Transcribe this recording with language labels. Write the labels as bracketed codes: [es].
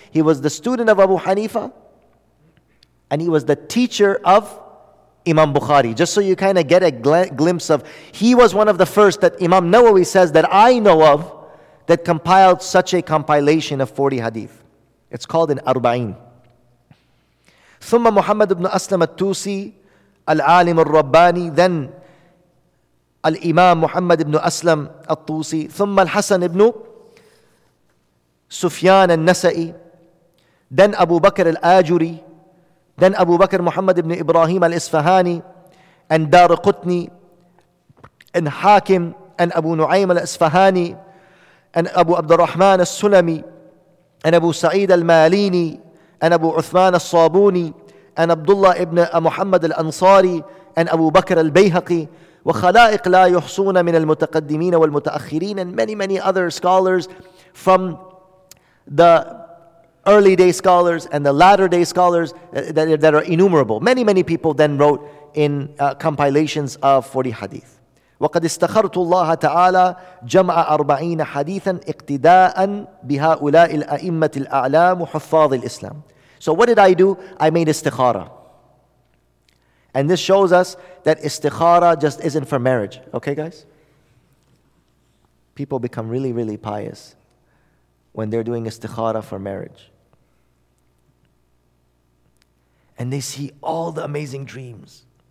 [en] He was the student of Abu Hanifa and he was the teacher of Imam Bukhari. Just so you kind of get a glimpse of, he was one of the first that Imam Nawawi says that I know of that compiled such a compilation of 40 hadith. It's called an Arba'in. [ar] ثم محمد بن أسلم التوسي العالم الرباني. [en] Then Al-Imam Muhammad ibn Aslam al-Tusi, [ar] ثم الحسن [en] ibn Sufyan al-Nasai, then Abu Bakr al-Ajuri, then Abu Bakr Muhammad ibn Ibrahim al-Isfahani, and Dar Qutni, and Hakim, and Abu Nu'aym al-Isfahani, and Abu Abdurrahman al-Sulami, and Abu Sa'id al-Malini, and Abu Uthman al-Sabuni, and Abdullah ibn Muhammad al-Ansari, and Abu Bakr al-Bayhaqi, [ar] وخلائق لا يحصون من المتقدمين والمتأخرين. [en] And many, many other scholars from the early day scholars and the latter day scholars that are innumerable. Many, many people then wrote in compilations of 40 hadith. [ar] وقد استخرت الله تعالى جمع 40 حديثا اقتداء بهؤلاء الأئمة الأعلام وحفاظ الإسلام. [en] So what did I do? I made istikhara. And this shows us that istikhara just isn't for marriage. Okay, guys? People become really, really pious when they're doing istikhara for marriage. And they see all the amazing dreams.